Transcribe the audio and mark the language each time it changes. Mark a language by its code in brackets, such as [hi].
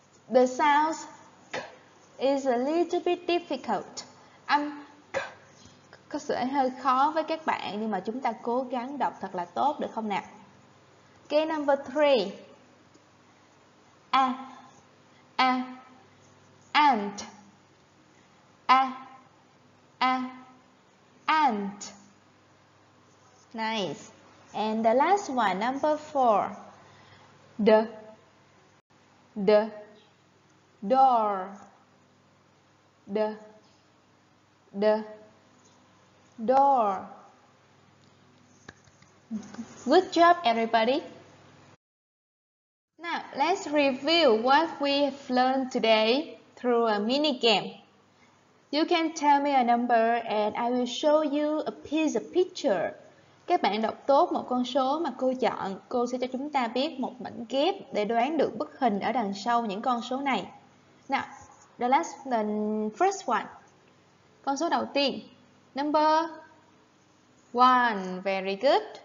[en] The sound k is a little bit difficult. [vi] Âm k có sự hơi khó với các bạn nhưng mà chúng ta cố gắng đọc thật là tốt được không nào? [en] Okay, number 3. A, a, ant. A, a, ant. Nice. And the last one, number 4. D, the door. The door. Good job, everybody. Now, let's review what we've learned today through a mini game. You can tell me a number and I will show you a piece of picture. [vi] Các bạn đọc tốt một con số mà cô chọn, cô sẽ cho chúng ta biết một mảnh ghép để đoán được bức hình ở đằng sau những con số này. [en] Now, the last, the first one. [vi] Con số đầu tiên. [en] Number one. Very good.